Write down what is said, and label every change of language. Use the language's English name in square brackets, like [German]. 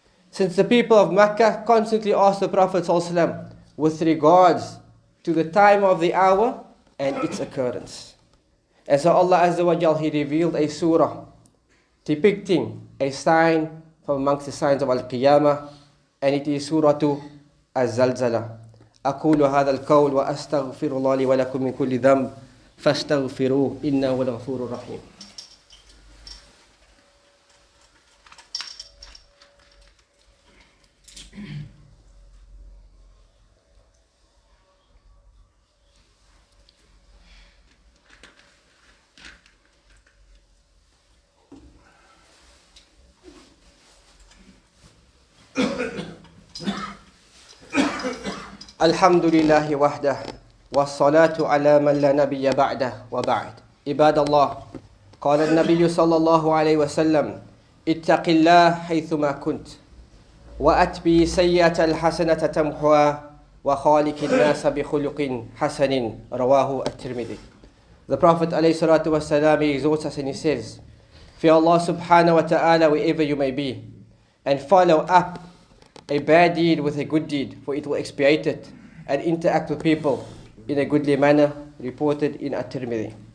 [English] Since the people of Makkah constantly asked the Prophet ﷺ with regards to the time of the hour and its occurrence. And so Allah Azza wa Jal, He revealed a surah depicting a sign from amongst the signs of Al-Qiyamah, and it is Surah Az-Zalzalah. [Arabic] أقول هذا القول وأستغفر الله لي ولكم من كل ذنب فاستغفروه إنه هو الغفور الرحيم. الحمد لله وحده والصلاة على من لا نبي بعده وبعد عباد الله قال النبي صلى الله عليه وسلم اتق الله حيثما كنت وأتبي سيئة الحسنة تمحوا وخالق الناس بخلق حسن رواه الترمذي. [English] The Prophet عليه الصلاة والسلام exhorts us and he says, fear Allah subhanahu wa ta'ala wherever you may be, and follow up a bad deed with a good deed, for it will expiate it, and interact with people in a goodly manner, reported in At-Tirmidhi.